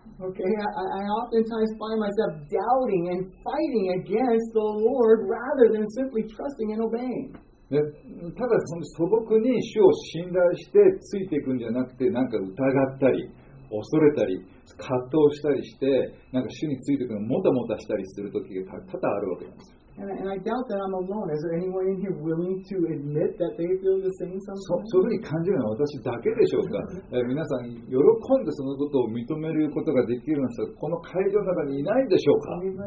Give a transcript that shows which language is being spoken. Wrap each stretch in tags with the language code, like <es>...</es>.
<en>Okay, I oftentimes find myself doubting and fighting against the Lord rather than simply trusting and obeying.</en> <ja>でただその素朴に主を信頼してついていくんじゃなくて、なんか疑ったり恐れたり葛藤したりして、なんか主についていくのもたもたしたりする時が多々あるわけなんです。</ja> <en>And I doubt that I'm alone. Is there anyone in here willing to admit that they feel the same sometimes?</en> <ja>そういうふうに感じるのは私だけでしょうか。皆さん喜んでそのことを認めることができるのはこの会場の中にいないんでしょうか。</ja>